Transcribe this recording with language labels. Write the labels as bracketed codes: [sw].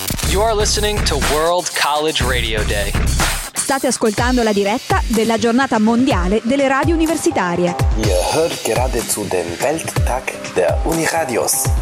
[en] You are listening to World College Radio Day. [it] State ascoltando la diretta della giornata mondiale delle radio universitarie. [de] Ihr hört gerade zu dem Welttag der Uniradios.